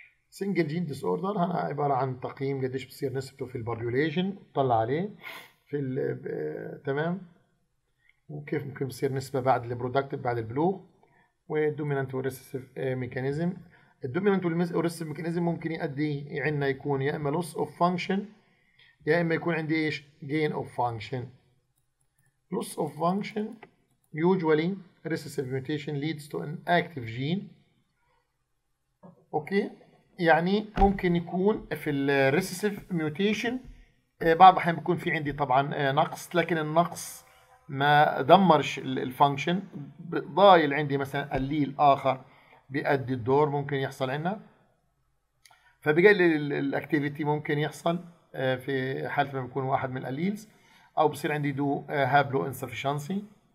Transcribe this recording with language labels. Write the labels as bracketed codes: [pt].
[ar] single gene disorder هنا عبارة عن تقييم قديش بصير نسبته في البوبوليشن، طلع عليه في تمام، وكيف ممكن بصير نسبة بعد البرودكتيف بعد البلوغ، والدومينانت والريسيسيف ميكانيزم. الدومينانت والريسيسيف ميكانيزم ممكن يؤدي عندنا يكون يا اما loss of function يا اما يكون عندي ايش gain of function. [en] loss of function usually recessive mutation leads to an active gene. [ar] اوكي يعني ممكن يكون في الريسيسيف ميوتيشن بعض الاحيان بيكون في عندي طبعا نقص، لكن النقص ما دمرش الفانكشن، ضايل عندي مثلا الليل اخر بيأدي الدور ممكن يحصل عندنا، فبقلل الاكتيفيتي ممكن يحصل في حاله ما بيكون واحد من الليلز، او بصير عندي دو هابلو انسفيشنسي.